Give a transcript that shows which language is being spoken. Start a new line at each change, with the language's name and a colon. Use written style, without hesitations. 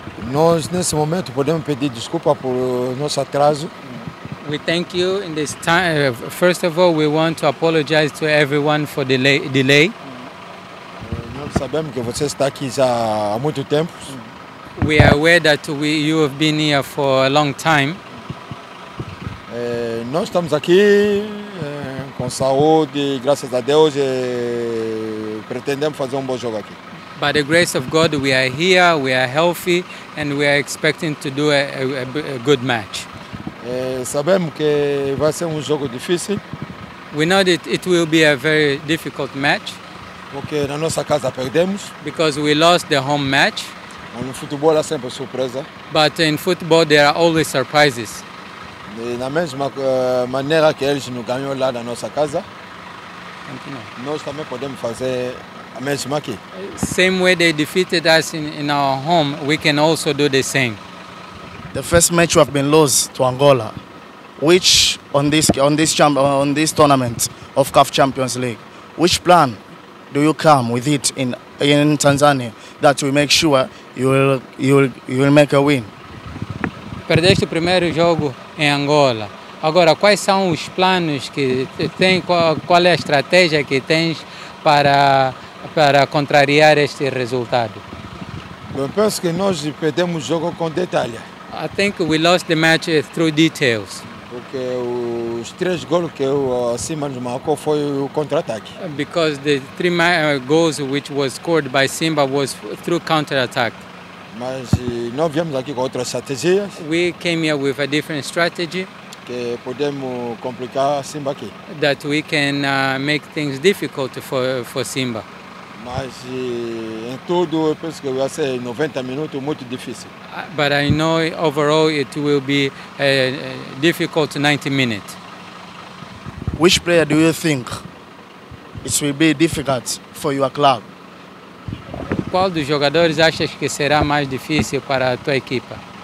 Portuguese: Nós, nesse momento, podemos pedir desculpa por nosso atraso.
English: We thank you in this time. First of all, we want to apologize to everyone for the delay.
Portuguese: Nós sabemos que você está aqui já há muito tempo.
English: We are aware that you have been here for a long time.
Portuguese: Nós estamos aqui com saúde, graças a Deus, e pretendemos fazer bom jogo aqui.
English: By the grace of God, we are here, we are healthy, and we are expecting to do a good match.
Portuguese: Sabemos que vai ser jogo difícil.
English: We know that it will be a very difficult match.
Portuguese: Porque na nossa casa perdemos.
English: Because we lost the home match.
Portuguese: Mas no futebol há sempre surpresa.
English: But in football, there are always surprises.
Portuguese: Na mesma maneira que eles nos ganhou lá na nossa casa, nós também podemos fazer a mesma aqui.
English: Same way they defeated us in our home, we can also do the same. The first match we have been lost to Angola, which on this tournament of CAF Champions League, which plan do you come with it in Tanzania that we make sure you will make a win?
Portuguese: Perdeste o primeiro jogo em Angola. Agora, quais são os planos que tem, qual é a estratégia que tens para contrariar este resultado? Eu penso que nós perdemos o jogo com detalhe.
English: I think we lost the match through details.
Portuguese: Porque os três gols que eu Simba nos marcou foi o contra-ataque.
English: Because the three goals which was scored by Simba was through counter-attack.
Portuguese: Mas nós viemos aqui com outras estratégias.
English: We came here with a different strategy.
Portuguese: Que podemos complicar Simba aqui.
English: That we can make things difficult for Simba.
Portuguese: Mas em tudo, eu penso que vai ser 90 minutos muito difícil.
English: But I know overall it will be a difficult 90 minutes. Which player do you think it will be difficult for your club?
Portuguese: Qual dos jogadores achas que será mais difícil para a tua equipa?